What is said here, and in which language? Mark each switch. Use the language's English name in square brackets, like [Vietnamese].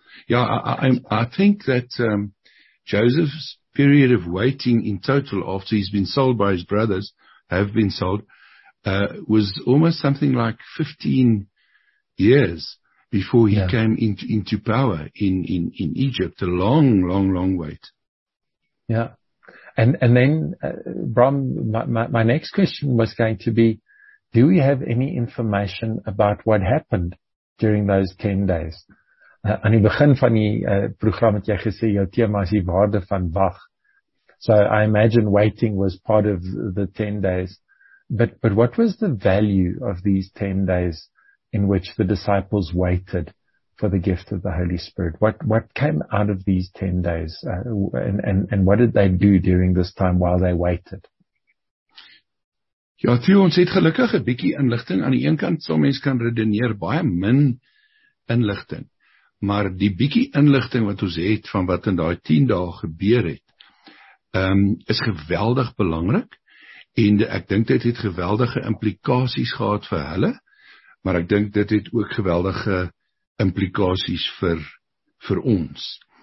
[English] I think that Joseph's period of waiting in total after he's been sold by his brothers, was almost something like 15 years before he came into power in Egypt. A long, long, long wait. Yeah. And then, Bram, my next question was going to be, do we have any information about what happened during those 10 days? [Afrikaans] Aan die begin van die program het jy gesê, jou thema is die waarde van wag. [English] So I imagine waiting was part of the 10 days. But what was the value of these 10 days in which the disciples waited for the gift of the Holy Spirit? What came out of these 10 days? And what did they do during this time while they waited? [Afrikaans] Ja, Theo, ons het gelukkig 'n bietjie inligting. Aan die een kant, so mens kan redeneer, baie min inligting. Maar die bietjie inligting wat ons het van wat in daai 10 dae gebeur het, is geweldig belangrik. En ek dink dit het geweldige implikasies gehad vir hulle, maar ek dink dit het ook geweldige implikasies vir ons.